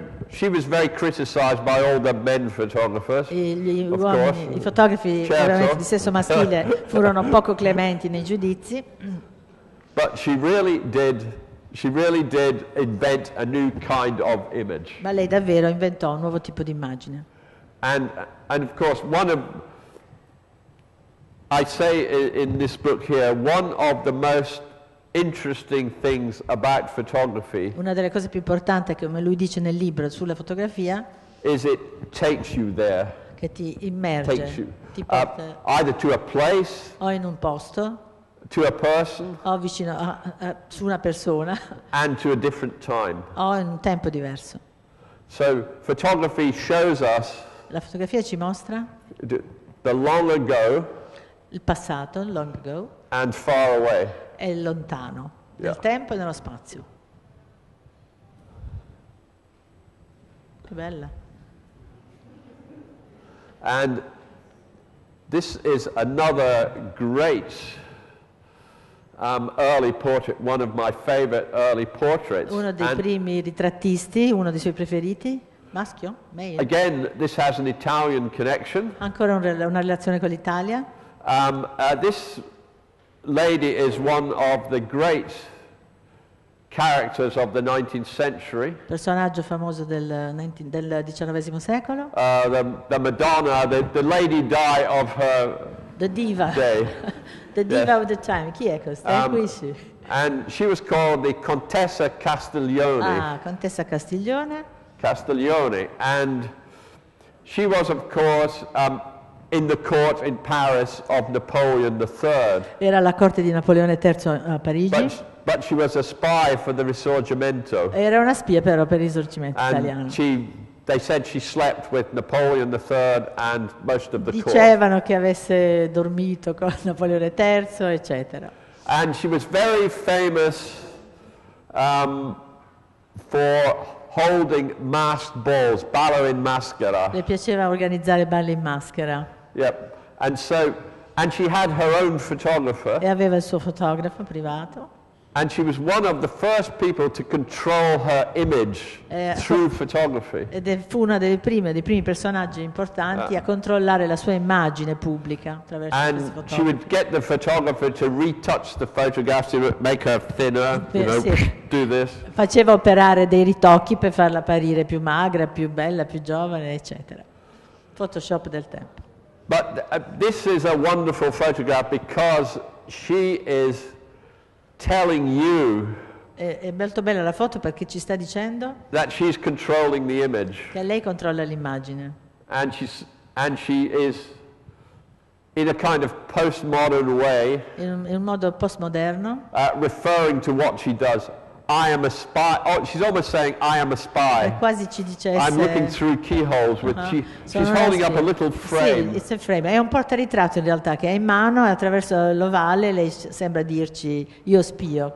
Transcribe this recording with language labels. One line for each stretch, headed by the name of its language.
English: She was very criticized by all the men photographers.
Italian: I fotografi di sesso maschile furono poco clementi nei giudizi.
English: But she really did invent a new kind of image.
Italian: Ma lei davvero inventò un nuovo tipo di immagine.
English: And of course one of I say in this book here one of the most interesting things about photography.
Italian: Una delle cose più importanti, come lui dice nel libro sulla fotografia,
English: is it takes you there.
Italian: Che ti immerge.
English: Takes you.
Italian: Ti porta
English: either to a place.
Italian: O in un posto.
English: To a person.
Italian: O vicino a su una persona.
English: And to a different time.
Italian: O in un tempo diverso.
English: So photography shows us.
Italian: La fotografia ci mostra.
English: The long ago.
Italian: Il passato,
English: long ago. And far away.
Italian: È lontano, nel tempo e nello spazio. Che bella.
English: And this is another great early portrait, one of my favorite early portraits.
Italian: Uno dei primi ritrattisti, uno dei suoi preferiti, maschio, male.
English: Again, this has an Italian connection.
Italian: Ancora una relazione con l'Italia.
English: This lady is one of the great characters of the 19th century.
Italian: Personaggio famoso del XIX secolo.
English: The Madonna, the Lady Di of her the diva. Day. The diva of the time.
Italian: Chi è questa?
English: And she was called the Contessa Castiglione.
Italian: Ah, Contessa Castiglione. Castiglione.
English: And she was, of course, in the court in Paris of Napoleon III.
Italian: Era la corte di Napoleone III a Parigi.
English: But she was a spy for the Risorgimento.
Italian: Era una spia però per il Risorgimento italiano.
English: And they said she slept with Napoleon III and most of the court.
Italian: Dicevano che avesse dormito con Napoleone III, eccetera.
English: And she was very famous for holding masked balls,
Italian: ballo in maschera. Le piaceva organizzare balli in maschera.
English: Yep. And she had her own photographer.
Italian: E aveva il suo fotografo privato.
English: And she was one of the first people to control her image through photography.
Italian: Ed fu una delle prime, dei primi personaggi importanti a controllare la sua immagine pubblica attraverso questo fotografo.
English: And she would get the photographer to retouch the photographs to make her thinner, do this.
Italian: Faceva operare dei ritocchi per farla apparire più magra, più bella, più giovane, eccetera. Photoshop del tempo.
English: But this is a wonderful photograph because she is telling you
Italian: è molto bella la foto perché ci sta dicendo
English: that she's controlling the image.
Italian: Che lei controlla l'immagine.
English: And she is in a kind of postmodern way
Italian: in un modo postmoderno
English: referring to what she does. I am a spy. Oh, she's almost saying I am a spy.
Italian: E quasi ci dicesse
English: I'm looking through keyholes with she's holding up a little frame. Sì, it's a frame.
Italian: È un portaritratto in realtà che ha in mano e attraverso l'ovale lei sembra dirci io spio.